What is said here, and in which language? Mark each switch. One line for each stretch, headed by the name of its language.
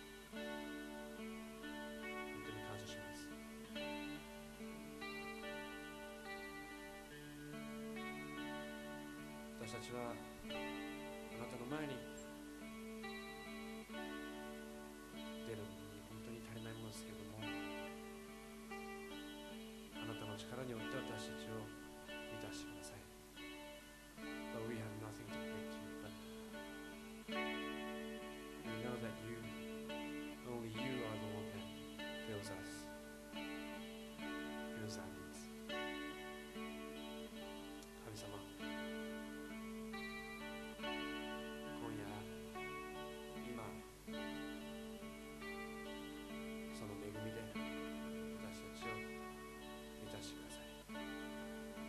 Japanese: 本当に感謝します。私たちはあなたの前に出るのに本当に足りないものですけども、あなたの力によって私たちを満たしてください。
English: But we have nothing to pray to you, but we know that you, only you are the one that fills us, fills our needs.
Japanese: 神様、今夜、今、その恵みで私たちを満たしてください。